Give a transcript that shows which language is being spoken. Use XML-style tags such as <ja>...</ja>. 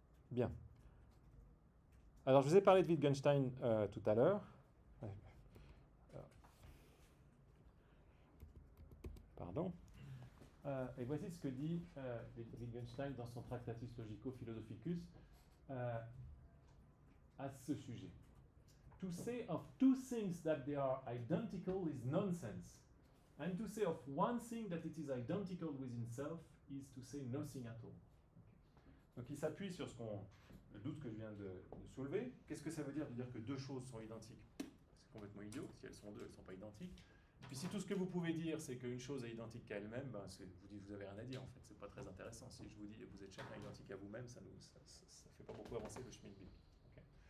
<fr>Bien. Alors, je vous ai parlé de Wittgenstein tout à l'heure. Pardon. Et voici ce que dit Wittgenstein dans son Tractatus Logico-Philosophicus à ce sujet.</fr> <en>To say of two things that they are identical is nonsense. And to say of one thing that it is identical with itself is to say nothing at all.</en> <fr>Donc il s'appuie sur le doute que je viens de soulever. Qu'est-ce que ça veut dire que deux choses sont identiques? C'est complètement idiot. Si elles sont deux, elles ne sont pas identiques. Puis si tout ce que vous pouvez dire, c'est qu'une chose est identique qu'à elle-même, ben vous n'avez rien à dire en fait. Ce n'est pas très intéressant. Si je vous dis que vous êtes chacun identique à vous-même, ça ne fait pas beaucoup avancer le chemin de vie. Okay.</fr>